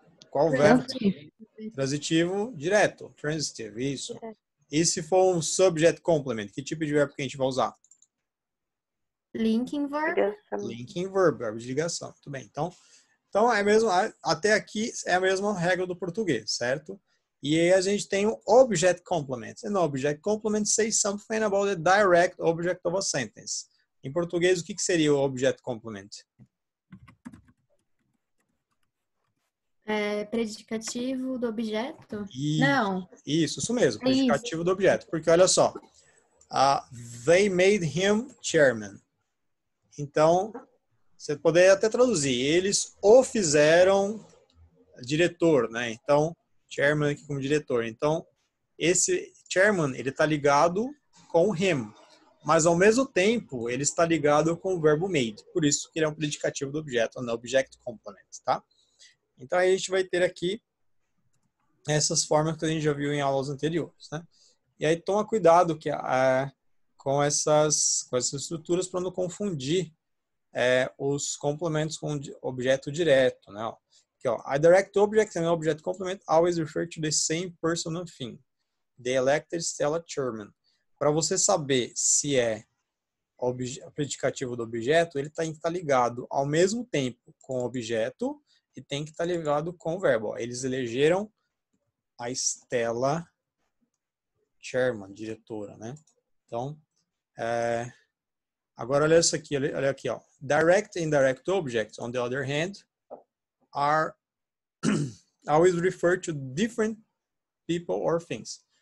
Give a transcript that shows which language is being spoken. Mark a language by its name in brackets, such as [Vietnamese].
[Portuguese] Qual o verbo? Transitivo direto, transitive, isso. E se for um subject complement, que tipo de verbo que a gente vai usar? [English] Linking verb. [Portuguese] Linking verb, verbo de ligação. Muito bem. Então é mesmo, até aqui é a mesma regra do português, certo? E aí a gente tem o object complement. [English] No object complement say something about the direct object of a sentence. [Portuguese] Em português, o que seria o object complement? É predicativo do objeto? Isso mesmo, predicativo do objeto. Porque olha só. [English] They made him chairman. [Portuguese] Então, você poderia até traduzir, eles o fizeram diretor, né? Então, chairman aqui como diretor. Então, esse chairman, ele está ligado com o him, mas ao mesmo tempo, ele está ligado com o verbo made. Por isso que ele é um predicativo do objeto, no object component, tá? Então, aí a gente vai ter aqui essas formas que a gente já viu em aulas anteriores, né? E aí, toma cuidado que com essas estruturas para não confundir os complementos com objeto direto, né? Aqui, ó, [English] a direct object and object complement always refer to the same person or thing. The elected Stella Chairman. [Portuguese] Para você saber se é predicativo do objeto, ele tem que estar ligado ao mesmo tempo com o objeto e tem que estar ligado com o verbo. Ó, eles elegeram a Stella Chairman, diretora, né? Então, agora olha isso aqui, olha aqui, ó. [English] Direct and indirect objects, on the other hand, are always referred to different people or things.